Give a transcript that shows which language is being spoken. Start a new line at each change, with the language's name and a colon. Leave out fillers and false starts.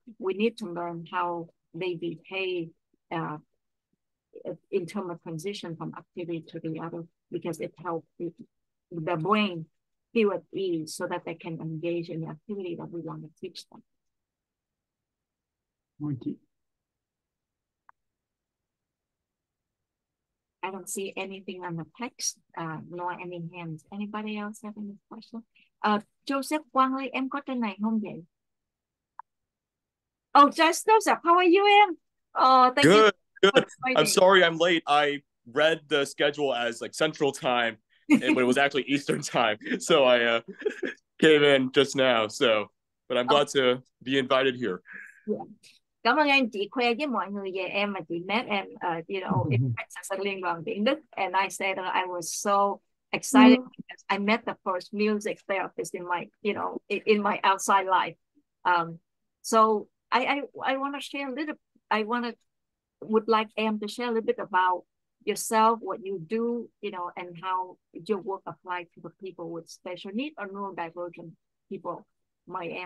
English: We need to learn how they behave in terms of transition from activity to the other, because it helps the brain feel at ease so that they can engage in the activity that we want to teach them. I don't see anything on the text, nor any hands. Anybody else have any questions?
Vietnamese: Joseph Quang, em có tên này không vậy?
English: Oh, Joseph, how are you, em? Oh, thank good. You. Good. I'm sorry I'm late. I read the schedule as like central time, but it was actually Eastern time. So I came in just now. So, but I'm glad to be invited here. Yeah.
Vietnamese: Cảm ơn anh chị khoe với mọi người về em mà chị met em,
English: you know, in Texas,
Vietnamese: Liên đoàn Biển Đức.
English: And I said I was so excited because I met the first music therapist in my, you know, in my outside life. So I want to share a little, would like Em to share a little bit about yourself, what you do, you know, and how your work applies to the people with special needs or neurodivergent people, my Em.